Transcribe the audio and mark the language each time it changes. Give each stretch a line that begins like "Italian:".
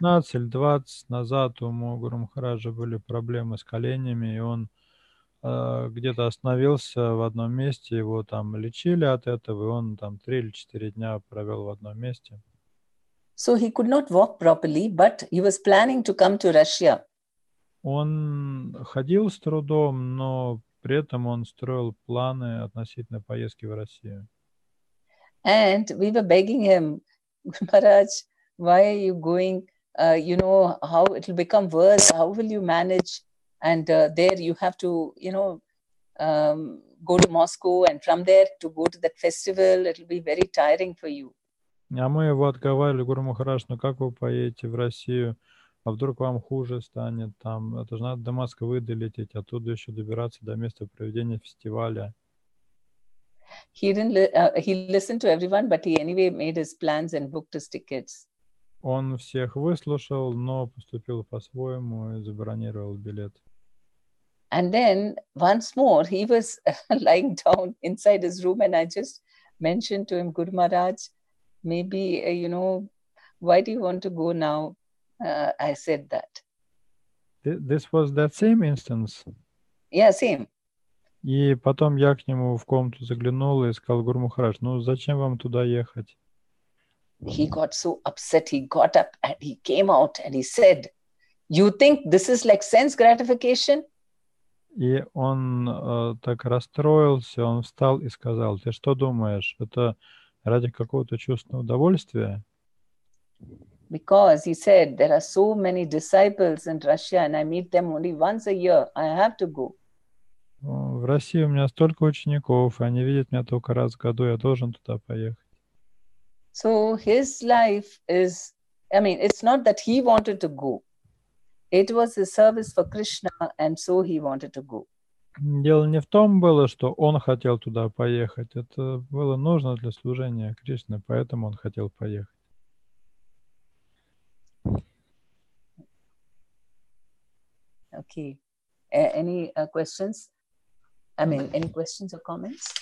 Russian: 15 или 20 назад у Гуру Махараджа были проблемы с коленями, и он где-то остановился в одном месте, его там лечили от этого, и он там 3 или 4 дня провел в одном месте.
English: So he could not walk properly, but he was planning to come to Russia.
Russian: Он ходил с трудом, но при этом он строил планы относительно поездки в Россию.
English: And we were begging him, Maharaj, why are you going? You know, how it will become worse. How will you manage? And there you have to, you know, go to Moscow. And from there to go to that festival, it will be very tiring for you.
Russian: А мы его отговаривали, Гуру Махарадж, ну как вы поедете в Россию? А вдруг вам хуже станет там? Это же надо до Москвы долететь, оттуда еще добираться до места проведения фестиваля.
English: He listened to everyone, but he anyway made his plans and booked his tickets.
Russian: Он всех выслушал, но поступил по-своему и забронировал билет.
English: And then once more he was lying down inside his room, and I just mentioned to him, Guru Maharaj, maybe you know, why do you want to go now? I said that. This was that same instance. Yeah, same.
Russian: И потом я к нему в комнату заглянул и сказал, Гуру Махарадж, ну зачем вам туда ехать?
English: He got so upset, he got up and he came out and he said, you think this is like sense gratification?
Russian: И он так расстроился, он встал и сказал, ты что думаешь, это ради какого-то чувственного удовольствия?
English: Because he said, there are so many disciples in Russia and I meet them only once a year. I have to go.
Russian: В России у меня столько учеников, они видят меня только раз в году, я должен туда поехать.
English: So his life is, I mean, it's not that he wanted to go. It was his service for Krishna and so he wanted to go.
Russian: Дело не в том было, что он хотел туда поехать. Это было нужно для служения Кришны, поэтому он хотел поехать.
English: Okay. Any questions? I mean, any questions or comments?